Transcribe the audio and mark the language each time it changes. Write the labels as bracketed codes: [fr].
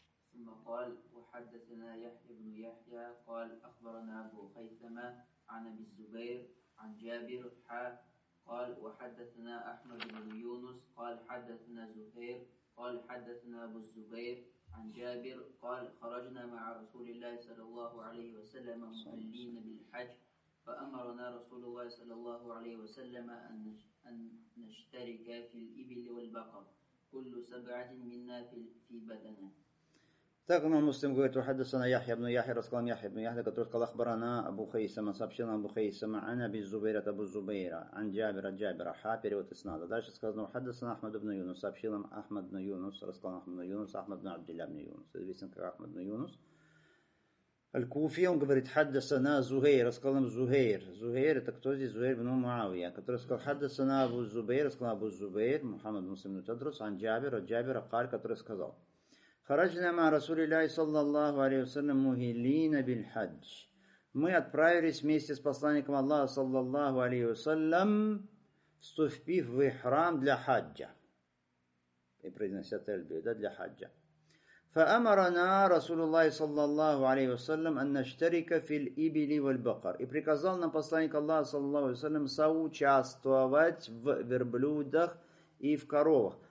[ar] Сумма кал, ухаддатана Яхья ибн Яхья, кал, ахбарана Абу Хайтама, ан Аби Зубейр, ан Джабир, ха, кал, ухаддатана Ахмад ибн Юнус, кал, хаддатана Зухейр, قال حدثنا أبو الزبير عن جابر قال خرجنا مع رسول الله صلى الله عليه وسلم مهلين بالحج فأمرنا رسول الله صلى الله عليه وسلم أن نشترك في الإبل والبقر كل سبعة منا في بدنه [ru] Так имам Муслим говорит, ухаддасана Яхья ибн Яхья, рассказал Яхья ибн Яхья, который сказал Ахбарана Абу Хейсама, сообщил Абу Хейсама, ана би Зубейра Абу Зубейра, ан Джабира Джабира, ха, перевод иснада. Дальше сказано, ухаддасана Ахмад ибн Юнус, сообщил нам Ахмад ибн Юнус, рассказал Ахмад ибн Юнус, Ахмад ибн Абдилля ибн Юнус, известен как Ахмад ибн Юнус. Аль-Куфи, он говорит, хаддасана Зугейр, рассказал нам Зугейр. Зугейр, это кто здесь? Зугейр ибн Муавия, который сказал, хаддасана Абу Зубейр, рассказал Абу Зубейр, Мухаммад Муслим ибн Тадрус, ан Джабира Джабира, каль, который сказал. [ar] خرجنا مع رسول الله صلى الله عليه وسلم مهلين بالحج. [ru] Мы отправились вместе с посланником Аллаха [ar] صلى الله عليه وسلم [ru] вступив в храм для хаджа. И произнося тальбию, да, для хаджа. [ar] فأمرنا رسول الله صلى الله عليه وسلم أن نشترك في الإبل والبقر. [ru] И приказал нам посланник Аллаха [ar] صلى الله عليه وسلم [ru] соучаствовать в верблюдах и в коровах.